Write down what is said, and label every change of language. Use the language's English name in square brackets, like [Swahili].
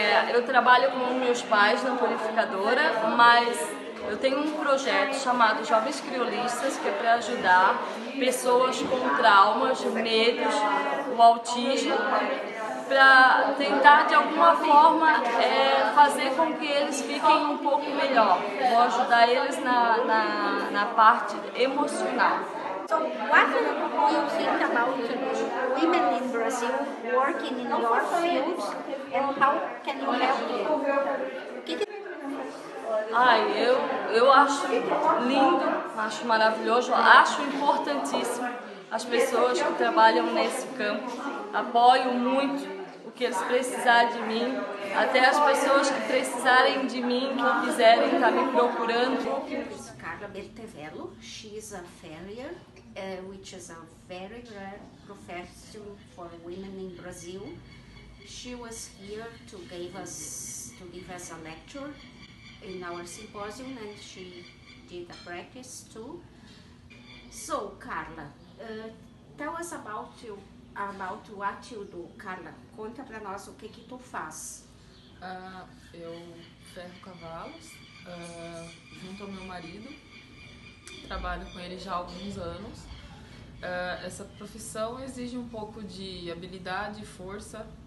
[Portuguese] Eu trabalho com meus pais na purificadora, mas eu tenho um projeto chamado Jovens Criolistas, que é para ajudar pessoas com traumas, medos, o autismo, para tentar de alguma forma fazer com que eles fiquem um pouco melhor. Vou ajudar eles na parte emocional. [English] So what do you think about women in Brazil working in your field and how can you help them? [Portuguese] Ai, eu acho lindo, acho maravilhoso, acho importantíssimo as pessoas que trabalham nesse campo. Apoio muito o que eles precisarem de mim, até as pessoas que precisarem de mim, que quiserem estar me procurando. [English] Carla Bertevello, she's a farrier, which is a very rare profession for women in Brazil. She was here to give us a lecture in our symposium, and she did a practice too. So, Carla, tell us about what you do. [Portuguese] Carla, conta pra nós o que tu faz. Eu ferro cavalos junto ao meu marido. Trabalho com ele já há alguns anos. Essa profissão exige um pouco de habilidade e força.